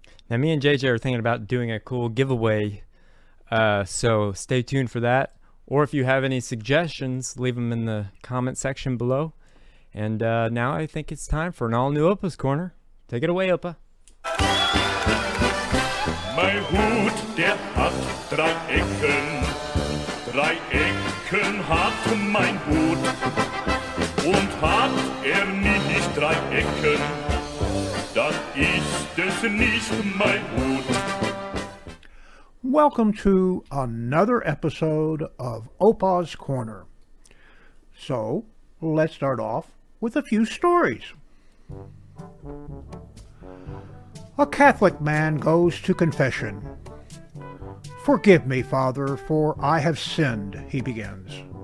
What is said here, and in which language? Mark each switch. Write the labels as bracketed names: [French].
[English] Now, me and JJ are thinking about doing a cool giveaway, so stay tuned for that. Or if you have any suggestions, leave them in the comment section below. And now I think it's time for an all-new Opa's Corner. Take it away, Opa. [German] My hoot, der hat drei Ecken. Drei Ecken hat mein Hut. Und hat nicht drei Ecken, dann ist es nicht mein Hut. [English] Welcome to another episode of Opa's Corner. So, let's start off with a few stories. A Catholic man goes to confession. "Forgive me, Father, for I have sinned," he begins.